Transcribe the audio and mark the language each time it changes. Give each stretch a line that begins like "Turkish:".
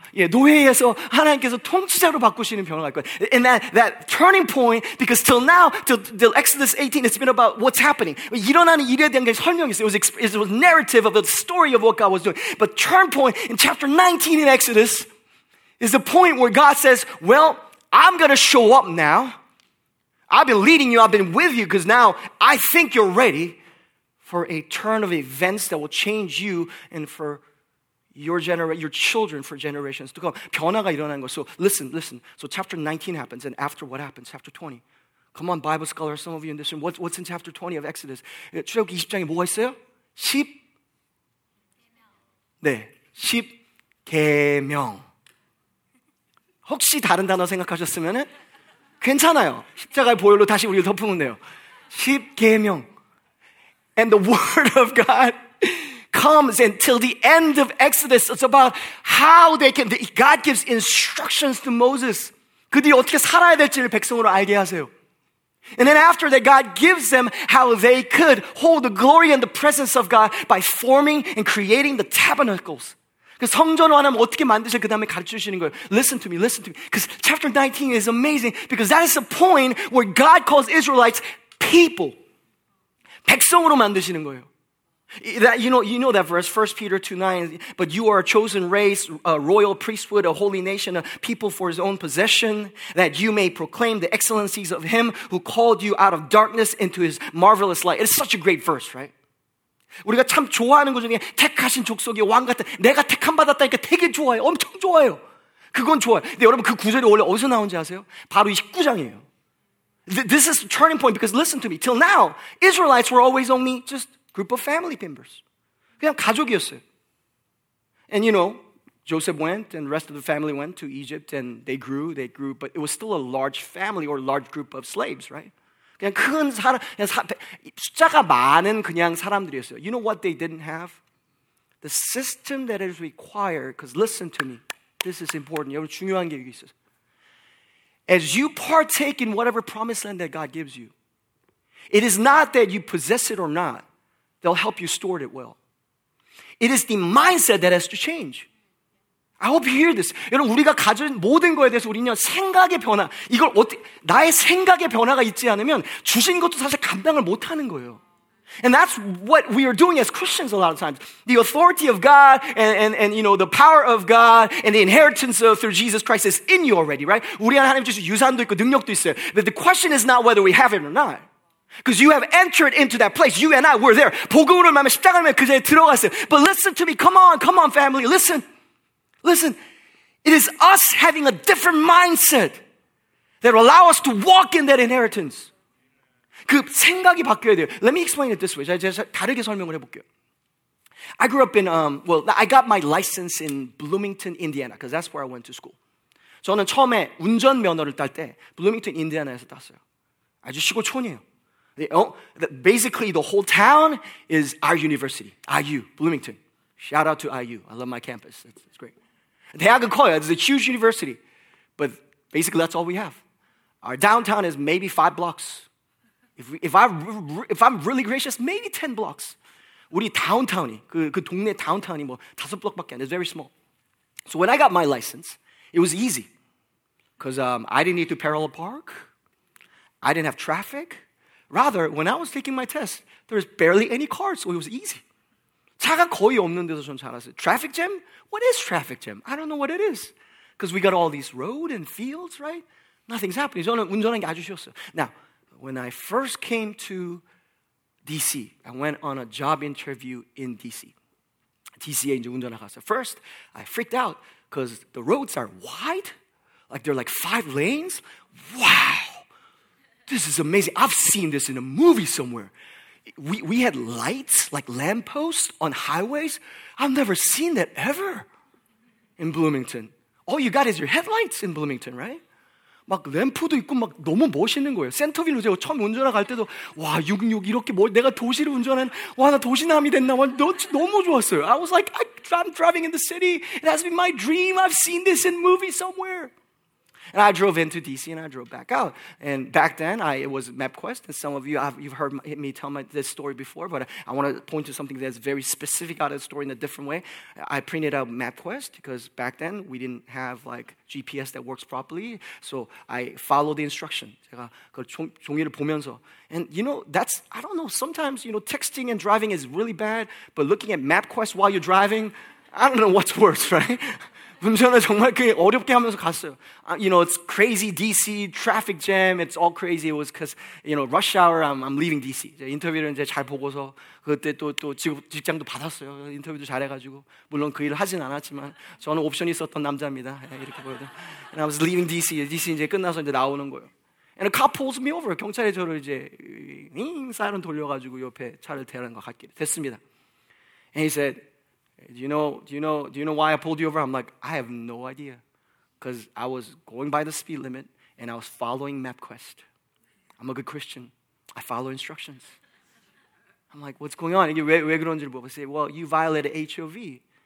Korean: 노예에서 하나님께서 통치자로 바꾸시는 변화가 있고.
English: And that turning point, because till now, till Exodus 18, it's been about what's happening.
Korean: 일어나는 일에 대한 게 설명이 있어요.
English: It was narrative of the story of what God was doing. But turn point in chapter 19 in Exodus is the point where God says, well, I'm going to show up now. I've been leading you. I've been with you, because now I think you're ready for a turn of events that will change you and for your children for generations to come.
Korean: 변화가 일어난 거.
English: So listen. So chapter 19 happens, and after what happens? Chapter 20. Come on, Bible scholar, some of you in this room, what's in chapter 20 of Exodus?
Korean: 출애굽기 20장에 뭐가 있어요? 10? 네, 10 계명. 혹시 다른 단어 생각하셨으면 괜찮아요. 십자가의 보혈로 다시 우리를 덮으면 돼요. 10 계명.
English: And the word of God comes until the end of Exodus. It's about how they can. God gives instructions to Moses.
Korean: 그들이 어떻게 살아야 될지를 백성으로 알게 하세요.
English: And then after that, God gives them how they could hold the glory and the presence of God by forming and creating the tabernacles.
Korean: 그 성전을 하나 어떻게 만드실 그 다음에 가르쳐 주시는 거예요.
English: Listen to me. Because chapter 19 is amazing, because that is the point where God calls Israelites people.
Korean: 백성으로 만드시는 거예요.
English: That, you know that verse, 1 Peter 2:9, but you are a chosen race, a royal priesthood, a holy nation, a people for his own possession, that you may proclaim the excellencies of him who called you out of darkness into his marvelous light. It's such a great verse, right?
Korean: 우리가 참 좋아하는 것 중에 택하신 족속이 왕 같은, 내가 택함 받았다니까 되게 좋아요. 엄청 좋아요. 그건 좋아요. 근데 여러분, 그 구절이 원래 어디서 나온지 아세요? 바로 19장이에요.
English: This is a turning point, because listen to me. Till now, Israelites were always only just group of family members.
Korean: 그냥 가족이었어요.
English: And you know, Joseph went and the rest of the family went to Egypt, and they grew, but it was still a large family or large group of slaves, right?
Korean: 그냥 큰 사람, 그냥 숫자가 많은 그냥 사람들이었어요.
English: You know what they didn't have? The system that is required, because listen to me, this is important.
Korean: 여러분, 중요한 게 여기 있어요.
English: As you partake in whatever promised land that God gives you, it is not that you possess it or not. They'll help you store it well. It is the mindset that has to change. I hope you hear this.
Korean: 여러분, 우리가 가진 모든 거에 대해서 우리는 생각의 변화, 이걸 나의 생각의 변화가 있지 않으면 주신 것도 사실 감당을 못 하는 거예요.
English: And that's what we are doing as Christians a lot of times. The authority of God and you know, the power of God and the inheritance of through Jesus Christ is in you already, right?
Korean: 우리 안에 하나님 주신 유산도 있고 능력도 있어요.
English: But the question is not whether we have it or not. Because you have entered into that place. You and I, we're there.
Korean: 복음으로 말하면 십자가로 말하면 그 자리에 들어갔어요.
English: But listen to me. Come on, family. Listen. Listen. It is us having a different mindset that will allow us to walk in that inheritance.
Korean: 그 생각이 바뀌어야 돼요.
English: Let me explain it this way.
Korean: 제가 다르게 설명을 해볼게요.
English: I grew up in, well, I got my license in Bloomington, Indiana. Because that's where I went to school.
Korean: 저는 처음에 운전면허를 딸 때 Bloomington, Indiana에서 땄어요. 아주 시골촌이에요.
English: Basically, the whole town is our university, IU, Bloomington. Shout out to IU. I love my campus. It's great.
Korean: 대학은 커요.
English: It's a huge university. But basically, that's all we have. Our downtown is maybe 5 blocks. If I'm really gracious, maybe 10 blocks.
Korean: 우리 downtown이, 그 동네 downtown이 뭐 5 block밖에 안 돼.
English: It's very small. So when I got my license, it was easy. Because I didn't need to parallel park. I didn't have traffic. Rather, when I was taking my test, there was barely any cars, so it was easy.
Korean: 차가 거의 없는 데서 전 잘했어요.
English: Traffic jam? What is traffic jam? I don't know what it is. Because we got all these roads and fields, right? Nothing's happening.
Korean: 저는 운전하는 게 아주 쉬웠어요.
English: Now, when I first came to D.C., I went on a job interview in D.C.
Korean: D.C.에 이제 운전을 갔어요.
English: First, I freaked out because the roads are wide. Like, they're like 5 lanes. Wow! This is amazing. I've seen this in a movie somewhere. We had lights, like lampposts on highways. I've never seen that ever in Bloomington. All you got is your headlights in Bloomington, right?
Korean: 막 램프도 있고 막 너무 멋있는 거예요. 센터빌로 제가 처음 운전하러 갈 때도 와, 66 이렇게 뭐 내가 도시를 운전한 와, 나 도시남이 됐나? 와, 너무 좋았어요.
English: I was like, I'm driving in the city. It has been my dream. I've seen this in a movie somewhere. And I drove into D.C. and I drove back out. And back then, it was MapQuest. And some of you, you've heard me tell this story before, but I want to point to something that's very specific out of the story in a different way. I printed out MapQuest because back then, we didn't have like GPS that works properly. So I followed the instruction.
Korean: 제가 그 종이를 보면서.
English: And you know, that's, I don't know, sometimes, you know, texting and driving is really bad, but looking at MapQuest while you're driving, I don't know what's worse, right?
Korean: 운전을 정말 그 어렵게 하면서 갔어요.
English: You know, it's crazy DC, traffic jam, it's all crazy. It was because, you know, rush hour, I'm leaving DC.
Korean: 이제 인터뷰를 이제 잘 보고서 그때 또 직장도 받았어요. 인터뷰도 잘해가지고. 물론 그 일을 하진 않았지만 저는 옵션이 있었던 남자입니다. 이렇게 보여도.
English: And I was leaving DC.
Korean: DC 이제 끝나서 이제 나오는 거예요.
English: And a cop pulls me over.
Korean: 경찰이 저를 이제 사이렌 돌려가지고 옆에 차를 대는 것 같기도 됐습니다.
English: And he said, Do you know why I pulled you over? I'm like, I have no idea. Because I was going by the speed limit and I was following MapQuest. I'm a good Christian. I follow instructions. I'm like, what's going on? I say, well, you violated HOV.